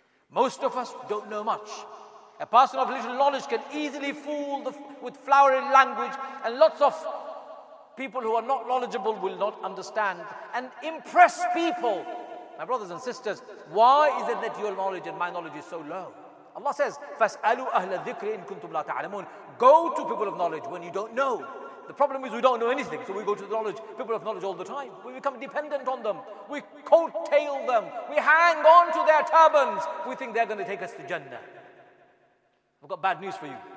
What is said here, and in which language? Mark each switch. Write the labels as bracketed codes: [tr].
[en] Most of us don't know much. A person of little knowledge can easily fool with flowery language, and lots of people who are not knowledgeable will not understand and impress people. My brothers and sisters, why is it that your knowledge and my knowledge is so low? Allah says, [ar] فَاسْأَلُوا أَهْلَ الذِّكْرِ إِن كُنْتُمْ لَا تَعْلَمُونَ. [en] Go to people of knowledge when you don't know. The problem is we don't know anything, so we go to the knowledge, people of knowledge all the time. We become dependent on them. We coattail them. We hang on to their turbans. We think they're going to take us to Jannah. I've got bad news for you.